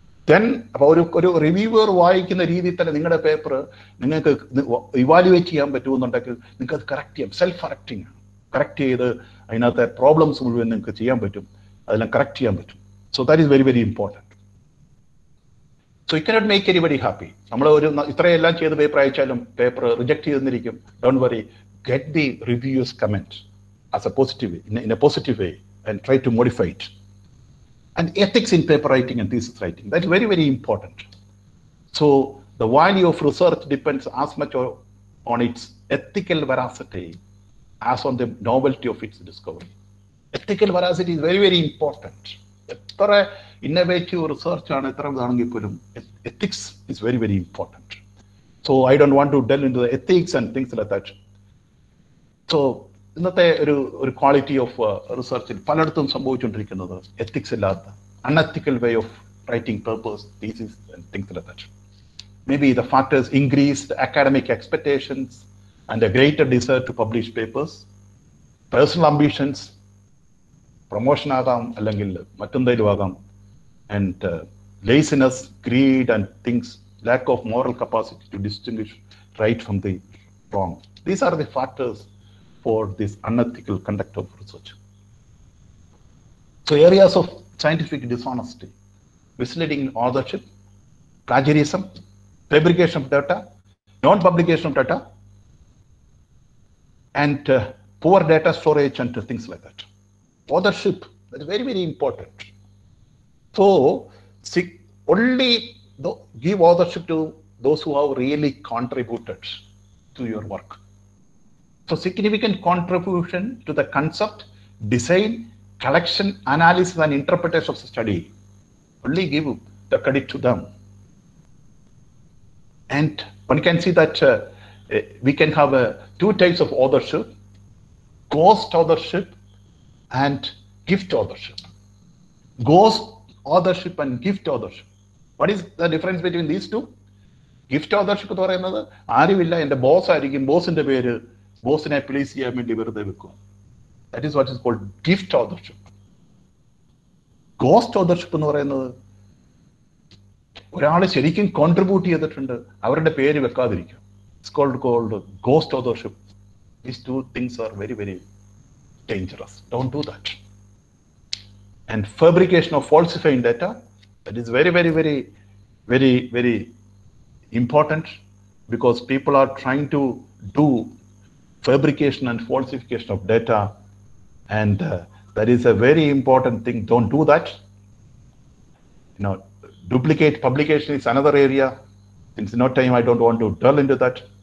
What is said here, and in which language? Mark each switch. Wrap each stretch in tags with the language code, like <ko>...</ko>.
<ml>Then അപ്പോൾ ഒരു ഒരു റിവ്യൂവർ വായിക്കുന്ന രീതിയിൽ തന്നെ നിങ്ങളുടെ പേപ്പർ നിങ്ങൾക്ക് ഇവാലുവേറ്റ് ചെയ്യാൻ പറ്റുമെന്നുണ്ടെങ്കിൽ നിങ്ങൾക്കത് കറക്റ്റ് ചെയ്യാം. സെൽഫ് കറക്റ്റിംഗ് ആണ്, കറക്റ്റ് ചെയ്ത് അതിനകത്ത് പ്രോബ്ലംസ് മുഴുവൻ നിങ്ങൾക്ക് ചെയ്യാൻ പറ്റും, അതെല്ലാം കറക്റ്റ് ചെയ്യാൻ പറ്റും.</ml> <en>So that is very very important. So you cannot make anybody happy.</en> <ml>നമ്മൾ ഒരു ഇത്രയും എല്ലാം ചെയ്ത് പേപ്പർ അയച്ചാലും പേപ്പർ റിജക്റ്റ് ചെയ്തിരിക്കും.</ml> <en>Don't worry, get the reviews comment as a positive way, in a positive way, and try to modify it. And ethics in paper writing and thesis writing, that is very, very important. So the value of research depends as much on its ethical veracity as on the novelty of its discovery. Ethical veracity is very, very important. Ethra innovative research on ethra dhanangi pulum, ethics is very, very important. So I don't want to delve into the ethics and things like that. So</en> <ml>ഇന്നത്തെ ഒരു ഒരു</ml> <en>quality of റിസർച്ചിൽ</en> <ml>പലയിടത്തും സംഭവിച്ചുകൊണ്ടിരിക്കുന്നത്</ml> <en>ethics</en> <ml>ഇല്ലാത്ത</ml> <en>Unethical way of writing papers, thesis and things like that. May be the factors increased academic expectations and a greater desire to publish papers, personal ambitions, promotion</en> <ml>ആകാം അല്ലെങ്കിൽ മറ്റെന്തെങ്കിലും ആകാം,</ml> <en>And laziness, greed and things, lack of moral capacity to distinguish right from the wrong. These are the factors for this unethical conduct of research. So areas of scientific dishonesty, misleading authorship, plagiarism, fabrication of data, non-publication of data, and poor data storage and things like that. Authorship, that is very, very important. So only give authorship to those who have really contributed to your work. So significant contribution to the concept, design, collection, analysis, and interpretation of the study. Only give the credit to them. And one can see that we can have two types of authorship, ghost authorship and gift authorship. Ghost authorship and gift authorship. What is the difference between these two?</en> <ml>Gift authorship എന്ന് പറയുന്നത് ആരുമില്ല, എൻ്റെ ബോസ്സായിരിക്കും, ബോസിൻ്റെ പേര്, ബോസിനെ please ചെയ്യാൻ വേണ്ടി വെറുതെ വെക്കും.</ml> <en>That is what is called gift authorship.</en> <ml>Ghost authorship എന്ന് പറയുന്നത് ഒരാൾ ശരിക്കും കോൺട്രിബ്യൂട്ട് ചെയ്തിട്ടുണ്ട്, അവരുടെ പേര് വെക്കാതിരിക്കും.</ml> <en>It's called ghost authorship. These two things are very very dangerous. Don't do that. And fabrication of falsifying data, that is very very very very very important, because people are trying to do fabrication and falsification of data. And that is a very important thing don't do that. No duplicate publication is another area. Since no time, I don't want to dwell into that.</en>